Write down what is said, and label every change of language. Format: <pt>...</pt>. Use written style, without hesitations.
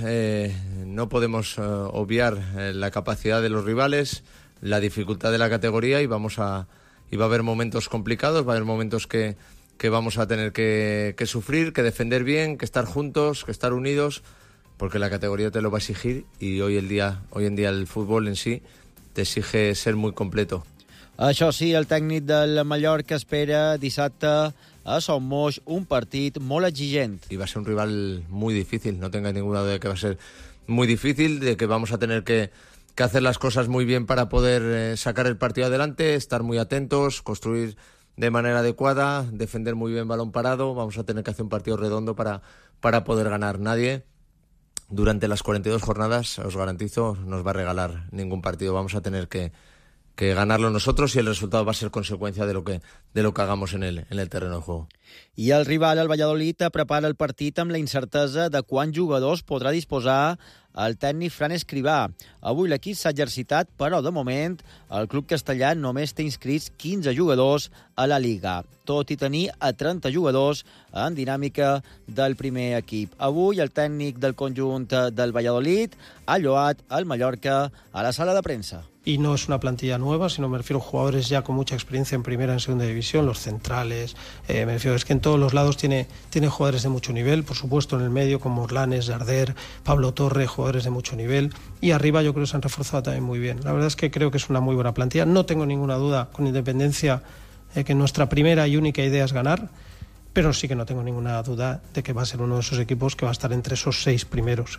<es>No podemos obviar la capacidad de los rivales, la dificultad de la categoría, y va a haber momentos complicados, va a haber momentos que vamos a tener que sufrir, que defender bien, que estar juntos, que estar unidos, porque la categoría te lo va a exigir, y hoy en día el fútbol en sí te exige ser muy completo.</es> <ca>Això sí, el tècnic del Mallorca espera dissabte a Son Moix un partit molt exigent.</ca> <es>I va ser un rival muy difícil, no tenga ninguna duda de que va ser muy difícil, de que vamos a tener que hacer las cosas muy bien para poder sacar el partido adelante, estar muy atentos, construir de manera adecuada, defender muy bien balón parado. Vamos a tener que hacer un partido redondo para poder ganar. Nadie durante las 42 jornadas, os garantizo, nos va a regalar ningún partido. Vamos a tener que ganarlo nosotros, y el resultado va a ser consecuencia de lo que hagamos en el terreno de juego.</es> <ca>I el rival, el Valladolid, prepara el partit amb la incertesa de quants jugadors podrà disposar el tècnic Fran Escrivá. Avui l'equip s'ha exercitat, però de moment el club castellà només té inscrits 15 jugadors a la Liga, tot i tenir a 30 jugadors en dinàmica del primer equip. Avui el tècnic del conjunt del Valladolid ha lloat el Mallorca a la sala de premsa.</ca> <es>Y no es una plantilla nueva, sino me refiero a jugadores ya con mucha experiencia en primera y en segunda división, los centrales, me refiero, es que en todos los lados tiene jugadores de mucho nivel, por supuesto en el medio como Orlanes, Jarder, Pablo Torre, jugadores de mucho nivel, y arriba yo creo que se han reforzado también muy bien. La verdad es que creo que es una muy buena plantilla, no tengo ninguna duda, con independencia, que nuestra primera y única idea es ganar, pero sí que no tengo ninguna duda de que va a ser uno de esos equipos que va a estar entre esos seis primeros.</es>